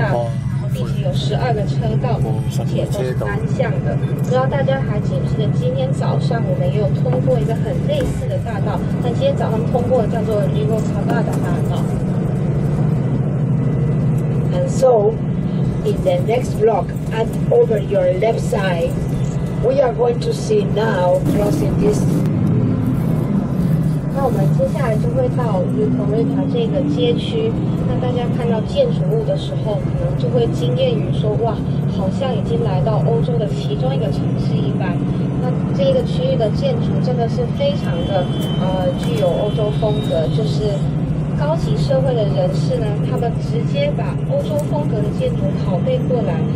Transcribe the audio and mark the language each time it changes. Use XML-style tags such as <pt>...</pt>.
<zh>大道它非常的宽大，并且有12个车道，而且都是单向的。不知道大家还记不记得，今天早上我们也有通过一个很类似的大道，但今天早上通过的叫做 Recoleta 的大道。</zh> <en>And so, in the next block, and over your left side, we are going to see now crossing this.</en> <zh>那我们接下来就会到 Recoleta 这个街区，那大家看到建筑物的时候可能就会惊艳于说，哇，好像已经来到欧洲的其中一个城市一般。那这个区域的建筑真的是非常的具有欧洲风格，就是高级社会的人士呢，他们直接把欧洲风格的建筑拷贝过来。</zh>